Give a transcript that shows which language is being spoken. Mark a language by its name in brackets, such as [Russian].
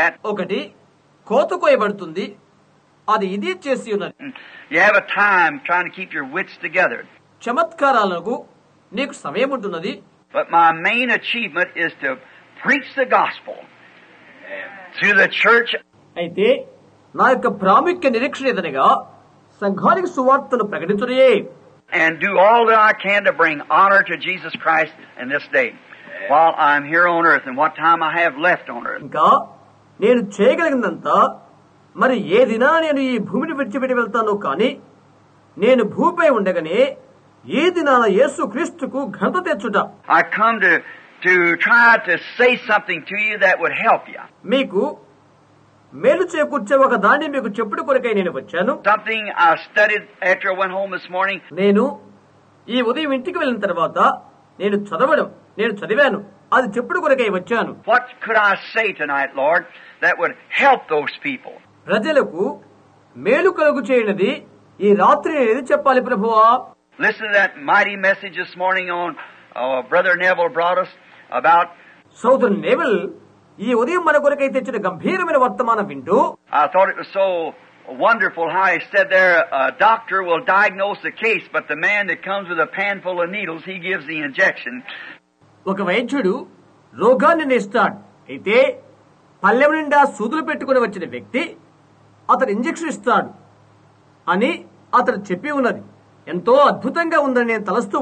[Telugu] ఒకటి కోత కోయబడుతుంది, అది ఇది చేసి ఉన్నది. [English] You have a time trying to keep your wits together. [Telugu] చమత్కారాలకు నీకు సమయం ఉంటున్నది. [English] But my main achievement is to preach the gospel to the church. [Telugu] అయితే నా యొక్క ప్రాముఖ్య నిరీక్షణ ఏదనగా సంఘానికి సువార్తను ప్రకటించడమే. [English] And do all that I can to bring honor to Jesus Christ in this day while I'm here on earth and what time I have left on earth. [Telugu] ఇంకా నేను చేయగలిగినంత మరి ఏ దినా నేను ఈ భూమిని విడిచిపెట్టి వెళ్తానో కాని నేను భూపై ఉండగానే ఈ దినాన యేసు క్రీస్తుకు ఘనత తెచ్చుట. [English] I come to try to say something to you that would help you. [Telugu] మీకు మేలు చేకూర్చే ఒక దాన్ని మీకు చెప్పుడు కొరకై నేను వచ్చాను. [English] Something I studied after I went home this morning. [Telugu] నేను ఈ ఉదయం ఇంటికి వెళ్ళిన తర్వాత నేను చదవడం నేను చదివాను అది చెప్పుడు కొరకై వచ్చాను. [English] What could I say tonight, Lord, that would help those people? [Telugu] ప్రజలకు మేలు కలుగు చేయనిది ఈ రాత్రి ఏది చెప్పాలి ప్రభువా? [English] Listen to that mighty message this morning on Brother Neville brought us about. [Telugu] సోదరు నెవిల్ ఈ ఉదయం మన కొరకై తెచ్చిన గంభీరమైన వర్తమానం వింటూ [English] I thought it was so wonderful how he said there a doctor will diagnose a case, but the man that comes with a pan full of needles, he gives the injection. [Telugu] ఒక వైద్యుడు రోగాన్ని నేస్తాడు. అయితే పల్లెం నిండా సూదులు పెట్టుకుని వచ్చిన వ్యక్తి అతడు ఇంజక్షన్ ఇస్తాడు అని అతడు చెప్పి ఉన్నది ఎంతో అద్భుతంగా ఉందని నేను తలస్తూ